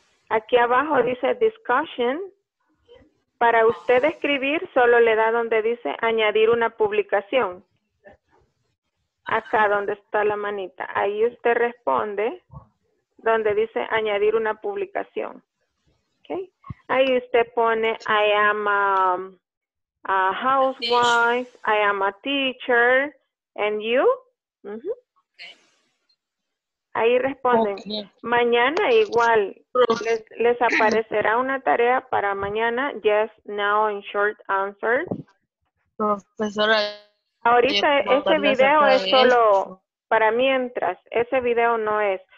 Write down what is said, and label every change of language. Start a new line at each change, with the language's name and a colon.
Spanish: Aquí abajo dice discussion. Para usted escribir, solo le da donde dice añadir una publicación. Acá donde está la manita. Ahí usted responde donde dice añadir una publicación. Okay. Ahí usted pone, I am a housewife, I am a teacher, and you? Ahí responden. Mañana igual les aparecerá una tarea para mañana.
English: Yes, now in short answers.
Spanish: Profesora, ahorita ese video es solo para mientras. Ese video no es.